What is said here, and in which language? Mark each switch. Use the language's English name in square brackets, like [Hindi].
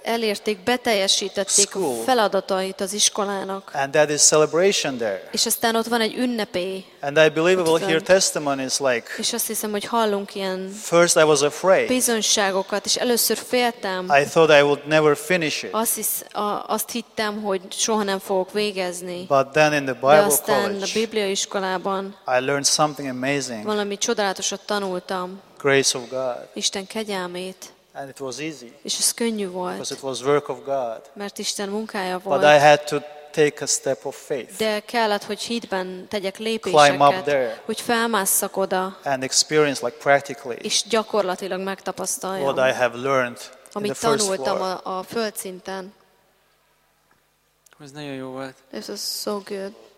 [Hungarian] Elérték, beteljesítették feladatait az iskolának. [English] And that is celebration there. [Hungarian] És aztán ott van egy ünnepély. [English] And I believe we will hear testimonies like. [Hungarian] És azt hiszem, hogy hallunk ilyen. [English] First I was afraid. [Hungarian] Bizonyságokat, és először féltem. [English] I thought I would never finish it. [Hungarian] Azt hittem, hogy soha nem fogok végezni. [English] But then in the Bible [Hungarian] de aztán [English] college, [Hungarian] a Biblia iskolában. [English] I learned something amazing. [Hungarian] Valami csodálatosat tanultam. [English] Grace of God. [Hungarian] Isten kegyelmét. [English] And it was easy. [Hungarian] És ez könnyű volt. [English] Because it was work of God. [Hungarian] Mert Isten munkája volt. [English] But I had to take a step of faith. [Hungarian] De kellett, hogy hitben tegyek lépéseket. [English] Climb up there. [Hungarian] Hogy felmásszak oda. [English] And experience like practically. [Hungarian] És gyakorlatilag megtapasztaljam. [English] What I have learned in the first floor. [Hungarian] Amit tanultam a földszinten. Ez nagyon jó volt. [English] This is so good.